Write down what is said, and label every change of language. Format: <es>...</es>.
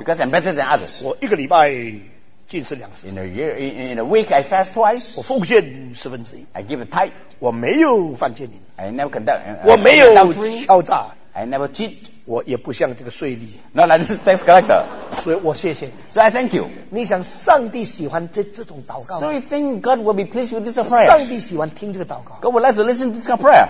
<en>Because I'm better than others.</en> <zh>我一个礼拜禁食两次。</zh> <en>In a week, I fast twice.</en> <zh>我奉献十分之一。</zh> <en>I give a tithe.</en> <zh>我没有犯奸淫。</zh> <en>I never conduct.</en> <zh>我没有敲诈。</zh> <en>I never cheat.</en> <zh>我也不像这个税吏。</zh> <en>Not like this tax collector.</en> <zh>所以我谢谢你。</zh> <en>So I thank you.</en> <zh>你想上帝喜欢这种祷告吗？</zh> <en>So you think God will be pleased with this prayer?</en> <zh>上帝喜欢听这个祷告。</zh> <en>God would like to listen to this kind of prayer.</en>